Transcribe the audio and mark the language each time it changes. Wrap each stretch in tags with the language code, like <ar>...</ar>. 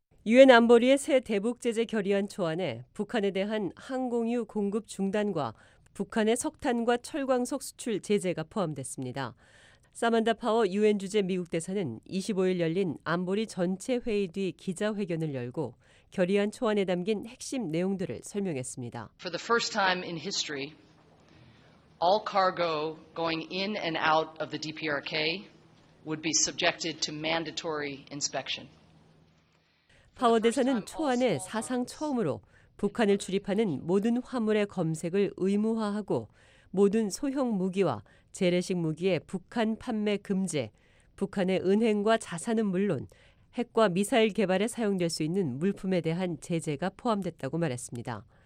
<ko>유엔 안보리의 새 대북 제재 결의안 초안에 북한에 대한 항공유 공급 중단과 북한의 석탄과 철광석 수출 제재가 포함됐습니다. 사만다 파워 유엔 주재 미국 대사는 25일 열린 안보리 전체 회의 뒤 기자회견을 열고 결의안 초안에 담긴 핵심 내용들을 설명했습니다.</ko> <en>For the first time in history, all cargo going in and out of the DPRK would be subjected to mandatory inspection.</en> <ko>파워 대사는 초안에 사상 처음으로 북한을 출입하는 모든 화물의 검색을 의무화하고 모든 소형 무기와 재래식 무기의 북한 판매 금지, 북한의 은행과 자산은 물론 핵과 미사일 개발에 사용될 수 있는 물품에 대한 제재가 포함됐다고 말했습니다.</ko>